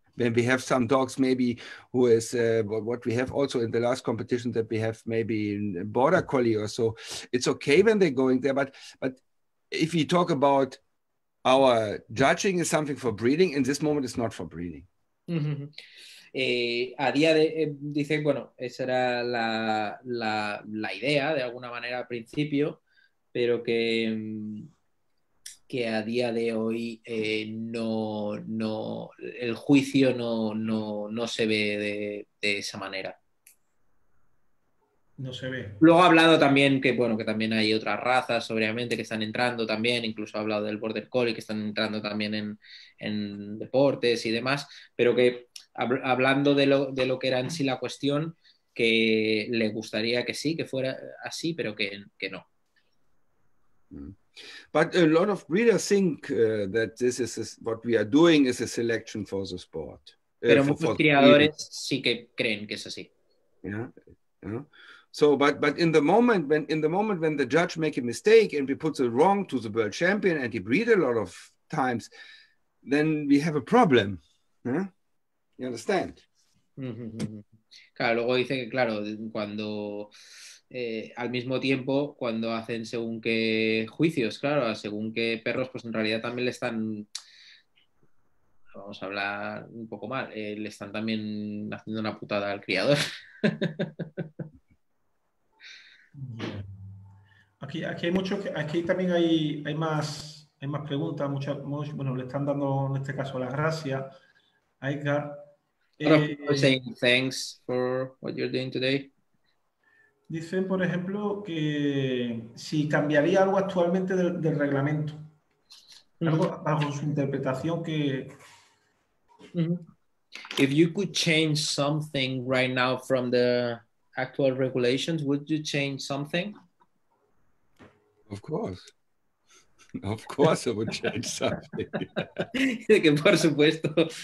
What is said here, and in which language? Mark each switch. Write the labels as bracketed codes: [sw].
[en] When we have some dogs, maybe who is what we have also in the last competition that we have, maybe in border collie or so, it's okay when they're going there. But if we talk about our judging is something for breeding, in this moment it's not for breeding. Mm-hmm. [es] A día de dice bueno, esa era la idea de alguna manera al principio, pero que a día de hoy no el juicio no se ve de esa manera. No se ve. Luego ha hablado también que, bueno, que también hay otras razas, obviamente, que están entrando también, incluso ha hablado del border collie, que están entrando también en deportes y demás, pero que hablando de lo que era en sí la cuestión, que le gustaría que sí, que fuera así, pero que no. [en] But a lot of breeders think that this is what we are doing is a selection for the sport. [es] Pero muchos criadores sí que creen que es así. [en] Yeah. So, but in the moment when the judge make a mistake and we put the wrong to the world champion and he breed a lot of times, then we have a problem. Yeah? You understand? [es] Claro, luego dice que claro cuando al mismo tiempo, cuando hacen según qué juicios, claro, según qué perros, pues en realidad también le están, vamos a hablar un poco mal, le están también haciendo una putada al criador. Aquí hay mucho, aquí también hay más preguntas, muchas, bueno, le están dando en este caso las gracias a Edgar. [en] Saying thanks for what you're doing today. [es] Dicen, por ejemplo, que si cambiaría algo actualmente del reglamento. Algo bajo su interpretación que... [en] If you could change something right now from the actual regulations, would you change something? Of course. Of course I would change something. [es] Dice que por supuesto...